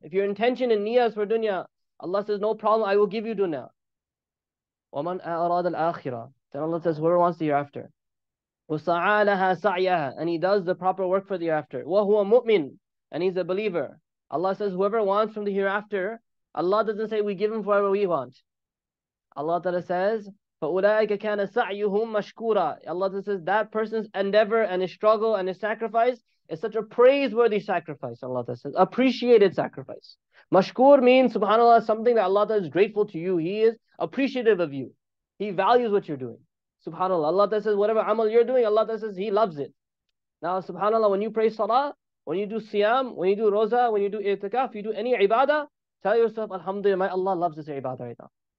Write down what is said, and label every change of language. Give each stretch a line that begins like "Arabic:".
English: If your intention and niyah is for dunya, Allah says, no problem, I will give you dunya.
Arabic: وَمَنْ أَعْرَادَ الْآخِرَةِ.
English: Then Allah says, whoever wants the hereafter.
Arabic: وَسَعَى لَهَا سَعْيَهَا.
English: And he does the proper work for the hereafter.
Arabic: وَهُوَ مُؤْمِنٌ.
English: And he's a believer. Allah says, whoever wants from the hereafter, Allah doesn't say, we give him whatever we want. Allah Ta'ala says,
Arabic: فَأُولَٰئِكَ كَانَ سَعْيُهُمْ مَشْكُورًا.
English: Allah says, that person's endeavor and his struggle and his sacrifice is such a praiseworthy sacrifice, Allah says. Appreciated sacrifice. Mashkur means, subhanAllah, something that Allah is grateful to you. He is appreciative of you. He values what you're doing. SubhanAllah. Allah says, whatever amal you're doing, Allah says, he loves it. Now, subhanAllah, when you pray salah, when you do siyam, when you do roza, when you do itikaf, you do any ibadah, tell yourself, alhamdulillah, my Allah loves this ibadah right now.